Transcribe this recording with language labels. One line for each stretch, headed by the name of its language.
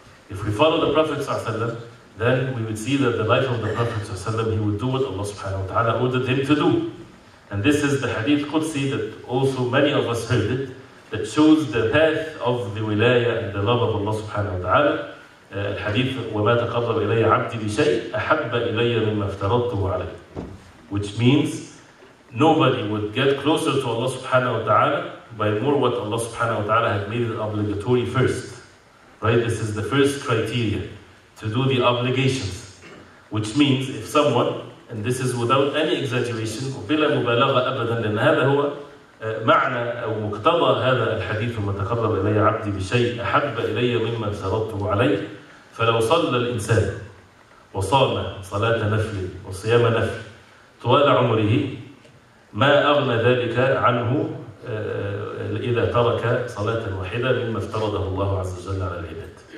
English: If we follow the Prophet sallallahu alayhi wa sallam, then we would see that the life of the Prophet ﷺ, he would do what Allah subhanahu wa ta'ala ordered him to do. And this is the hadith Qudsi that also many of us heard it, that shows the path of the wilayah and the love of Allah subhanahu wa ta'ala.
Arabic: الحديث وما تقرب إلي عبدي بشيء أحب إلي مما افترضته عليه.
English: Which means nobody would get closer to Allah subhanahu wa ta'ala by more what Allah subhanahu wa ta'ala had made it obligatory first. Right? This is the first criteria to do the obligations. Which means if someone, and this is without any exaggeration,
Arabic: بلا مبالغة أبدا لأن هذا هو معنى أو مقتضى هذا الحديث وما تقرب إلي عبدي بشيء أحب إلي مما افترضته عليه. فلو صلى الإنسان وصام صلاة نفل وصيام نفل طوال عمره ما أغنى ذلك عنه إذا ترك صلاة واحدة مما افترضه الله عز وجل على العباد.